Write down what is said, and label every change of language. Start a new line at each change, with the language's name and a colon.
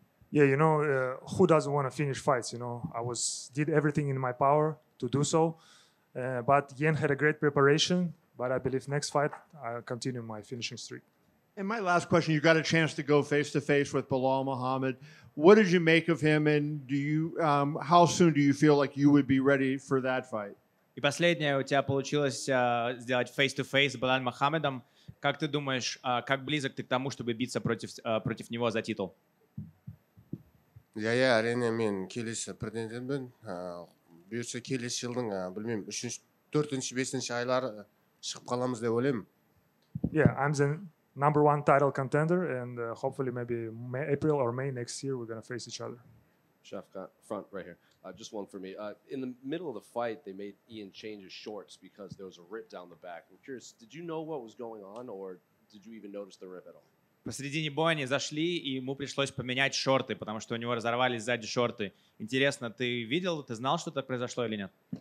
English: Yeah, you know, who doesn't want to finish fights, you know? I did everything in my power to do so. But Yen had a great preparation, but I believe next fight I'll continue my finishing streak. And my last question, you got a chance to go face to face with Bilal Muhammad. What did you make of him, and how soon do you feel like you would be ready for that fight?
Russian: И последнее, у тебя получилось сделать
English: face to face
Russian: с Билалом Мухаммедом. Как ты думаешь, как близок ты к тому, чтобы биться против него за титул?
Kazakh: Я, Арене, мен келесі претендентмін. Бұйырса келесі жылдың, білмеймін, 4-5 айлары шығып қаламыз деп ойлаймын.
English: Yeah, I'm the number one title contender, and hopefully maybe April or May next year we're going to face each other. Shafqat, front right here. Just one for me. In the middle of the fight, they made Ian change his shorts because there was a rip down the back. I'm curious, did you know what was going on, or did you even notice the rip at all?
Russian: Посредине боя они зашли, и ему пришлось поменять шорты, потому что у него разорвались сзади шорты. Интересно, ты видел, ты знал, что это произошло или нет?